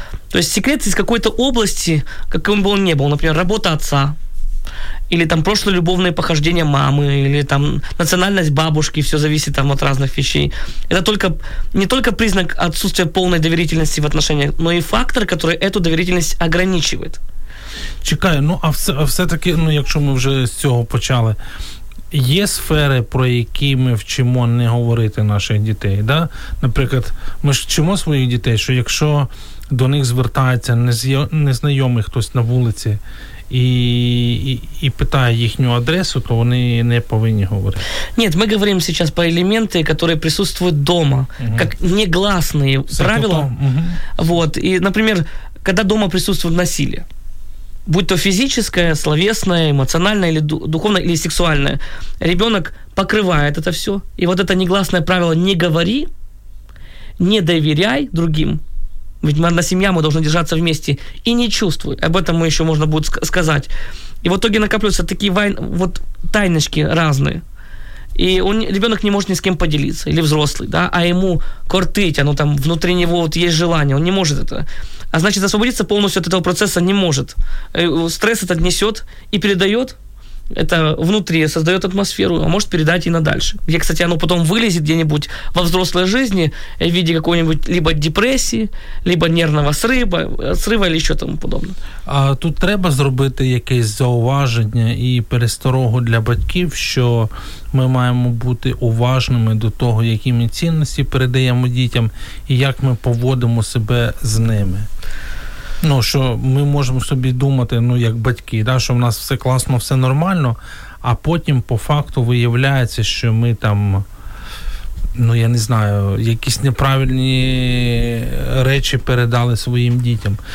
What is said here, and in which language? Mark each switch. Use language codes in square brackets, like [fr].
[ru] То есть секрет из какой-то области, каким бы он ни был, например, работа отца, или там прошлые любовные похождения мамы, или там национальность бабушки, все зависит там от разных вещей. Это только, не только признак отсутствия полной доверительности в отношениях, но и фактор, который эту доверительность ограничивает. [uk] Чекаю, ну а все-таки, ну якщо ми вже з цього почали, є сфери, про які ми вчимо не говорити наших дітей, да? Наприклад, ми ж вчимо своїх дітей, що якщо до них звертається незнайомий хтось на вулиці і питає їхню адресу, то вони не повинні говорити. Ні, ми говоримо зараз про елементи, які присутствують вдома, як негласні правила. [ru] Вот. [uk] І, наприклад, коли вдома присутствує насилля, [ru] будь то фізическое, словесное, эмоциональное, или духовное, или сексуальное, ребенок покрывает это все. И вот это негласное правило «не говори, не доверяй другим», ведь мы одна семья, мы должны держаться вместе, и не чувствуй. Об этом мы еще можно будет сказать. И в итоге накапливаются такие вот тайночки разные. И ребенок не может ни с кем поделиться, или взрослый, да, а ему кортить, оно там внутри него вот есть желание, он не может это. А значит, освободиться полностью от этого процесса не может. Стресс этот несет и передает это внутри, создает атмосферу, а может передать и на дальше. Где, кстати, оно потом вылезет где-нибудь во взрослой жизни в виде какой-нибудь либо депрессии, либо нервного срыва или еще тому подобное. [uk] А тут треба зробити якесь зауваження і пересторогу для батьків, що ми маємо бути уважними до того, які ми цінності передаємо дітям і як ми поводимо себе з ними. Ну, що ми можемо собі думати, ну, як батьки, да, що в нас все класно, все нормально, а потім по факту виявляється, що ми там, ну, я не знаю, якісь неправильні речі передали своїм дітям.